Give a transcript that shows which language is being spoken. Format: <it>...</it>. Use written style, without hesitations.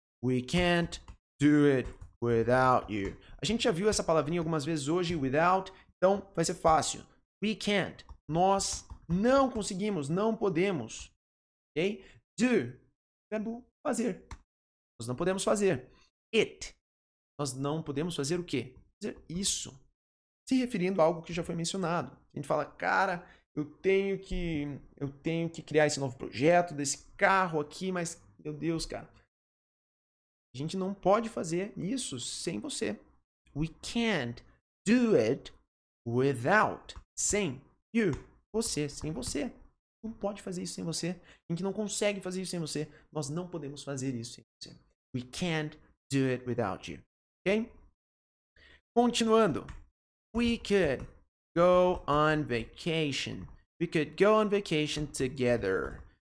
<en>We can't do it without you.</en> <pt>A gente já viu essa palavrinha algumas vezes hoje, without. Então, vai ser fácil.</pt> <en>We can't.</en> <pt>Nós não conseguimos, não podemos. Ok? Do. Verbo fazer. Nós não podemos fazer. It. Nós não podemos fazer o quê? Fazer isso. Se referindo a algo que já foi mencionado. A gente fala, cara, eu tenho que criar esse novo projeto desse carro aqui, mas, meu Deus, cara. A gente não pode fazer isso sem você.</pt> <en>We can't do it without,</en> <pt>sem you, você, sem você. Não pode fazer isso sem você. A gente não consegue fazer isso sem você. Nós não podemos fazer isso sem você.</pt> <en>We can't do it without you. Ok? Continuando. We could go on vacation. We could go on vacation together.</en>